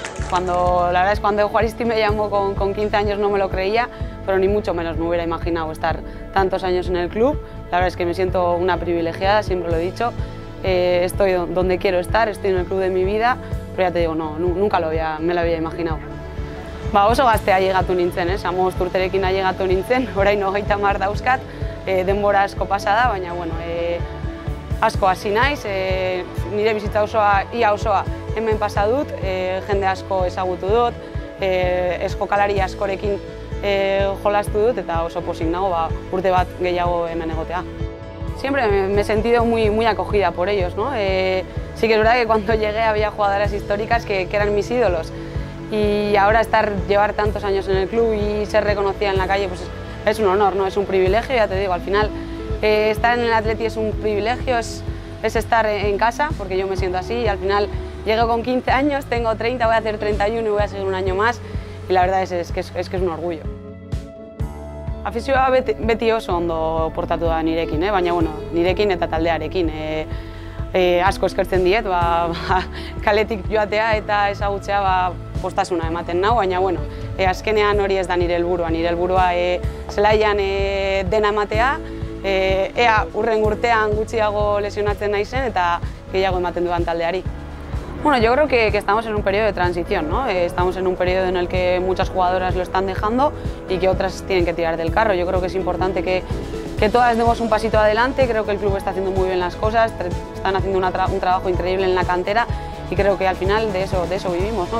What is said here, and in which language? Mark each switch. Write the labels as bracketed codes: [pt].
[es] Cuando, la verdad es que cuando Juaristi me llamó con 15 años no me lo creía, pero ni mucho menos me hubiera imaginado estar tantos años en el club. La verdad es que me siento una privilegiada, siempre lo he dicho. Estoy donde quiero estar, estoy en el club de mi vida, pero ya te digo, no, nunca me lo había imaginado. [eu] Ba, oso gaztea llegatu nintzen, Amabost urterekin llegatu nintzen, orain 30 dauzkat, denbora asko pasada, baina bueno, asko hasi naiz, nire bizitza osoa, ia osoa, hemen pasa dut, jende asko ezagutu dut, eskokalari askorekin jolastu dut, eta oso pozik nago ba, urte bat gehiago hemen egotea. [es] Siempre me he sentido muy, muy acogida por ellos, ¿no? Sí que es verdad que cuando llegué había jugadoras históricas que eran mis ídolos, y ahora llevar tantos años en el club y ser reconocida en la calle, pues es un honor, ¿no? Es un privilegio, ya te digo, al final estar en el Atleti es un privilegio, es estar en casa, porque yo me siento así, y al final llego con 15 años, tengo 30, voy a hacer 31 y voy a seguir un año más, y la verdad es que es un orgullo. [eu] Afizioa beti oso ondo portatu da nirekin, baina bueno, nirekin eta taldearekin. Asko eskertzen diet, kaletik joatea eta ezagutzea postasuna ematen nau, baina bueno, azkenean hori ez da nire helburua. Nire helburua zelaian dena ematea, ea urren urtean gutxiago lesionatzen naizen eta gehiago ematen duan taldeari. [es] Bueno, yo creo que estamos en un periodo de transición, ¿no? Estamos en un periodo en el que muchas jugadoras lo están dejando y que otras tienen que tirar del carro. Yo creo que es importante que todas demos un pasito adelante. Creo que el club está haciendo muy bien las cosas, están haciendo un trabajo increíble en la cantera, y creo que al final de eso vivimos, ¿no?